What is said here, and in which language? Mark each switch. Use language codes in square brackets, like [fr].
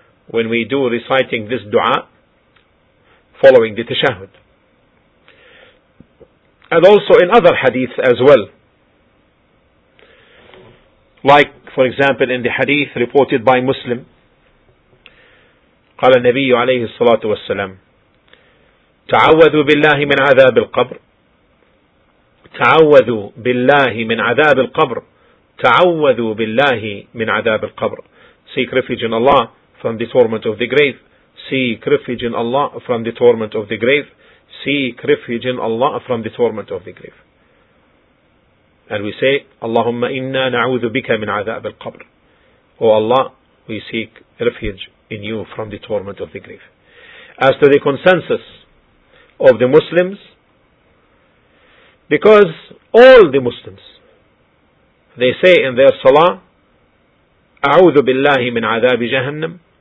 [en] When we do reciting this dua following the tashahud, and also in other hadiths as well, like for example in the hadith reported by Muslim, [ar] قال النبي عليه الصلاة والسلام تعوذوا بالله من عذاب القبر تعوذوا بالله من عذاب القبر تعوذوا بالله من عذاب القبر. [en] Seek refuge in Allah from the torment of the grave. Seek refuge in Allah from the torment of the grave. Seek refuge in Allah from the torment of the grave. And we say, [ar] اللهم إنا نعوذ بك من عذاب القبر. [en] O Allah, we seek refuge in you from the torment of the grave. As to the consensus of the Muslims, because all the Muslims, they say in their salah, [ar] أعوذ بالله من عذاب جهنم.